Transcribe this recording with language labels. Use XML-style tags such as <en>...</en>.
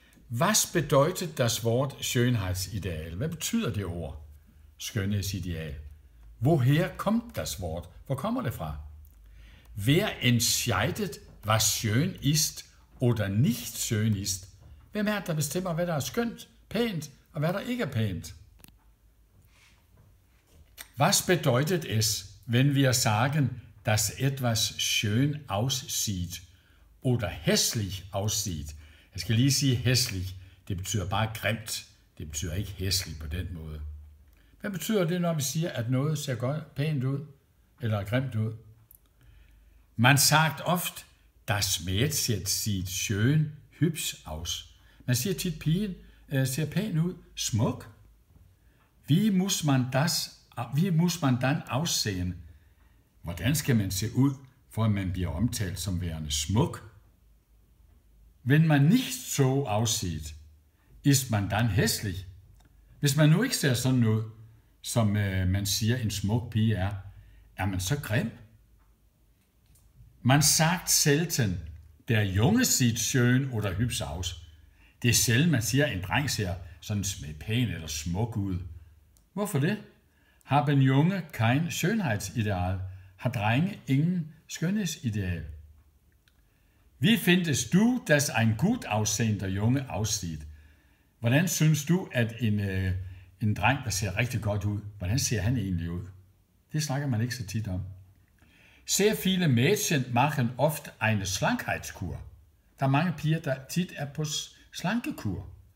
<de>Was bedeutet das Wort Schönheitsideal?</de> <da>Hvad betyder det ord, skønhedsideal?</da> <de>Woher kommt das Wort?</de> <da>Hvor kommer det fra?</da> <de>Wer entscheidet, was schön ist oder nicht schön ist?</de> <da>Hvem er, der bestemmer, hvad der er skønt, pænt og hvad der ikke er pænt?</da> <de>Was bedeutet es, wenn wir sagen, dass etwas schön aussieht oder hässlich aussieht?</de> <da>Jeg skal lige sige hässlich. Det betyder bare grimt. Det betyder ikke hässlich på den måde. Hvad betyder det, når vi siger, at noget ser godt, pænt ud eller grimt ud?</da> <de>Man sagt oft, das Mädchen sieht schön hübsch aus.</de> <da>Man siger tit, pigen ser pæn ud, smuk.</da> <de>Wie muss man dann aussehen?</de> <da>Hvordan skal man se ud, for at man bliver omtalt som værende smuk?</da> <de>Wenn man nicht so aussieht, ist man dann hässlich?</de> <da>Hvis man nu ikke ser sådan ud, som man siger, en smuk pige er, er man så grim?</da> <de>Man sagt selten, der Junge sieht schön oder hübsch aus.</de> <da>Det er sjældent, man siger, en dreng ser sådan pæn eller smuk ud. Hvorfor det?</da> <de>Haben Junge kein Schönheitsideal?</de> <da>Har drenge ingen skønhedsideal?</da> <de>Wie findest du, dass ein gut aussehender Junge aussieht?</de> <da>Hvordan synes du, at en dreng, der ser rigtig godt ud, hvordan ser han egentlig ud? Det snakker man ikke så tit om.</da> <de>Sehr viele Mädchen machen oft eine Schlankheitskur.</de> <da>Der er mange piger, der tit er på slankekur.</da>